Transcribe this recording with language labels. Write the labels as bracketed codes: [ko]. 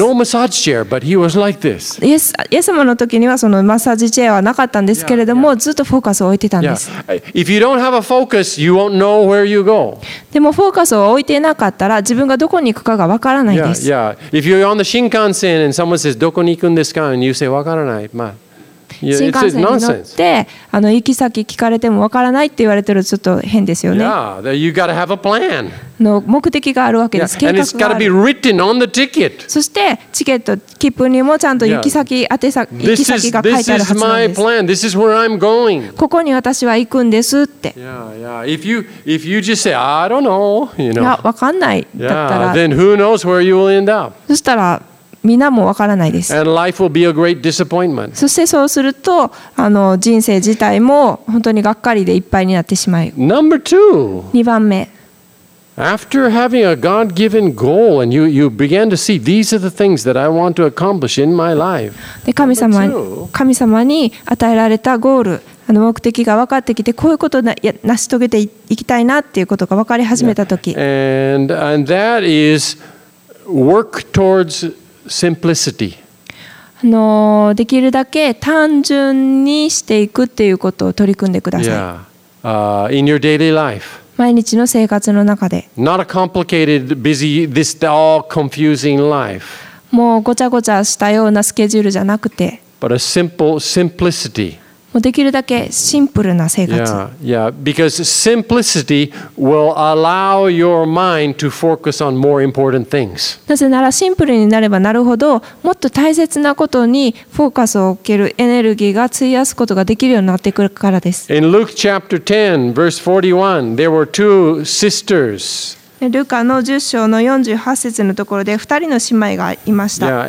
[en] No massage chair, but he was like this. [ja] イエス様の時にはそのマッサージチェアはなかったんですけれども、 [en] yeah, yeah. [ja] ずっとフォーカスを置いてたんです。 [en] Yeah. If you don't have a focus, you won't know where you go. [ja] でもフォーカスを置いてなかったら自分がどこに行くかがわからないです。 [en] Yeah, yeah. If you're on the Shinkansen and someone says, [ja] どこに行くんですか? [en] And you say, [ja] わからない。まあ新幹線に乗ってあの行き先聞かれてもわからないって言われてるとちょっと変ですよね。 [en] Yeah, you gotta have a plan. [ja] の目的があるわけです。 [en] Yeah, [ja] 計画がある。 [en] And it's got [ja] そしてチケット切符にもちゃんと行き先、yeah. 行き先が書いてあるはずなんです。 [en] This is my plan. This is where I'm going. [ja] ここに私は行くんですって。 [en] Yeah, yeah. If you just say I don't know, you know. [ja] いやわかんないだったら。 [en] Yeah, then who knows where you will end up? [ja] そしたら。みんなもわからないです。 [en] And life will be a great disappointment. [ja] そしてそうするとあの人生自体も本当にがっかりでいっぱいになってしまう。 [en] Number two. [ja] 2番目。 [en] After having a God-given goal and you began to see these are the things that I want to accomplish in my life. [ja] で神様に与えられたゴール。あの目的が分かってきてこういうことを成し遂げていきたいなっていうことが分かり始めた時。 [en] Yeah. And that is work towardsSimplicity. [ja] あのできるだけ単純にしていくっていうことを取り組んでください。 [en] Yeah. In your daily life. [ja] 毎日の生活の中で。 [en] Not a complicated, busy, this all confusing life. [ja] もうごちゃごちゃしたようなスケジュールじゃなくて。 [en] But a simple simplicity. [ja] もうできるだけシンプルな生活。 [en] Yeah, yeah. Because simplicity will allow your mind to focus on more important things. [ja] なぜならシンプルになればなるほど、もっと大切なことにフォーカスを置けるエネルギーが費やすことができるようになってくるからです。 [en] In Luke chapter 10, verse 41, there were two sisters. [ja] ルカの10章の48節のところで2人の姉妹がいました。